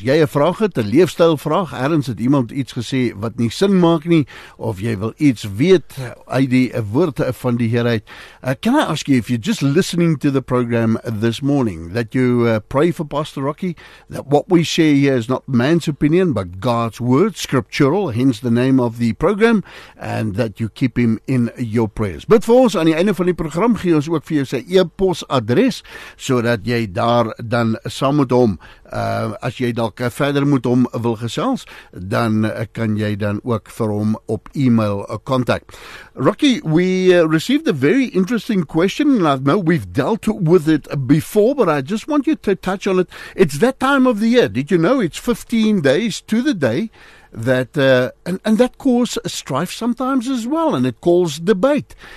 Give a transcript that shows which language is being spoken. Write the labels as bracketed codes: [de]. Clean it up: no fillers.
[af] Jy 'n vraag het, 'n leefstyl vraag, ergens het iemand iets gesê wat nie sin maak nie, of jy wil iets weet uit die woord van die Here uit. [en] Can I ask you, if you're just listening to the program this morning, that you pray for Pastor Rocky, that what we share here is not man's opinion, but God's word, scriptural, hence the name of the program, and that you keep him in your prayers. [af] But for us, aan die einde van die program, gee ons ook vir jou sy e-pos adres, so dat jy daar dan saam met hom, as jy dalk verder moet hom wil gesels, dan kan jy dan ook vir hom op e-mail contact. [en] Rocky, we received a very interesting question, and I know we've dealt with it before, but I just want you to touch on it. It's that time of the year. Did you know it's 15 days to the day that, and that causes strife sometimes as well, and it calls debate.